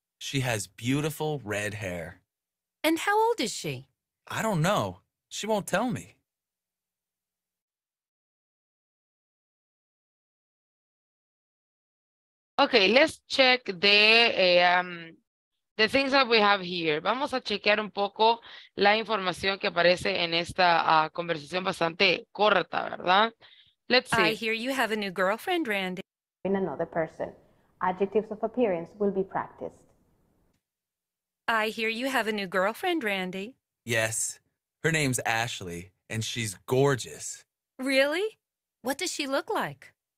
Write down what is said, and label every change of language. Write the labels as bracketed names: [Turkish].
[English] She has beautiful red hair. And how old is she? I don't know. She won't tell me. Okay, let's check the things that we have here. [Spanish] Vamos a chequear un poco la información que aparece en esta conversación bastante corta, ¿verdad? [English] Let's see. I hear you have a new girlfriend, Randy. In another person. Adjectives of appearance will be practiced. I hear you have a new girlfriend, Randy. Yes, her name's Ashley, and she's gorgeous. Really? What does she look like?